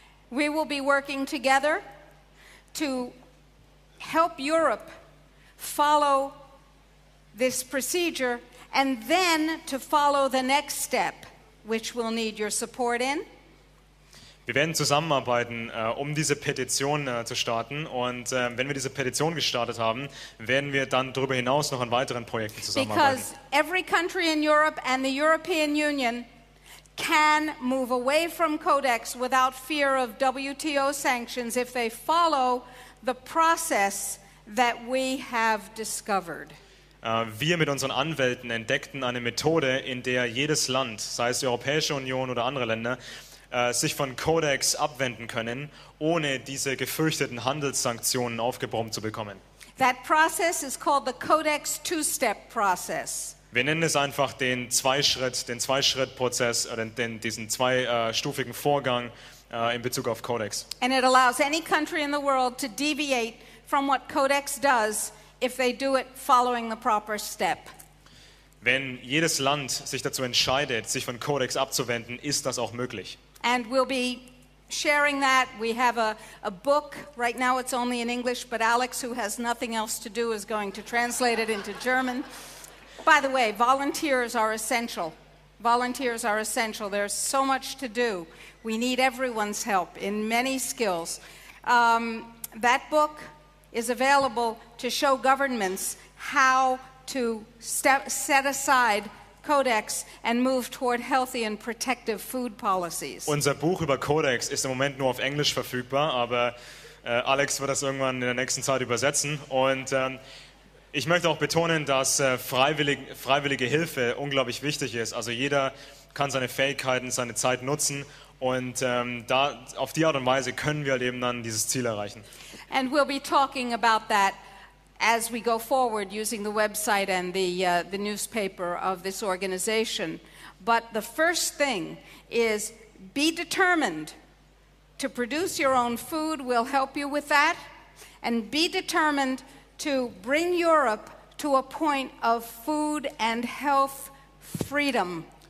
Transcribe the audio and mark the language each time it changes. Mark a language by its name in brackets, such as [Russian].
[English] We will be working together to help Europe follow this procedure and then to follow the next step, which we'll need your support in. [German] Wir werden zusammenarbeiten, um diese Petition zu starten. Und wenn wir diese Petition gestartet haben, werden wir dann darüber hinaus noch an weiteren Projekten zusammenarbeiten. [English] Because every country in Europe and the European Union can move away from Codex without fear of WTO sanctions if they follow the process that we have discovered. [German] Wir mit unseren Anwälten entdeckten eine Methode, in der jedes Land, sei es die Europäische Union oder andere Länder, sich von Codex abwenden können, ohne diese gefürchteten Handelssanktionen aufgebrummt zu bekommen. [English] That process is called the Codex two-step process. [German] Wir nennen es einfach den Zweischritt-Prozess, diesen zweistufigen Vorgang in Bezug auf Codex. [English] And it allows any country in the world to deviate from what Codex does if they do it following the proper step. [German] Wenn jedes Land sich dazu entscheidet, sich von Codex abzuwenden, ist das auch möglich. [English] And we'll be sharing that. We have a book. Right now it's only in English, but Alex, who has nothing else to do, is going to translate it into German. By the way, volunteers are essential. Volunteers are essential. There's so much to do. We need everyone's help in many skills. That book is available to show governments how to set aside Codex and move toward healthy and protective food policies. [German] Unser Buch über Codex ist im Moment nur auf Englisch verfügbar, aber Alex wird das irgendwann in der nächsten Zeit übersetzen. Und ich möchte auch betonen, dass freiwillige Hilfe unglaublich wichtig ist. Also jeder kann seine Fähigkeiten, seine Zeit nutzen, und da auf die Art und Weise können wir halt eben dann dieses Ziel erreichen. [English] And we'll be talking about that as we go forward using the website and the newspaper of this organization. But the first thing is be determined to produce your own food. We'll help you with that. And be determined to bring Europe to a point of food and health freedom.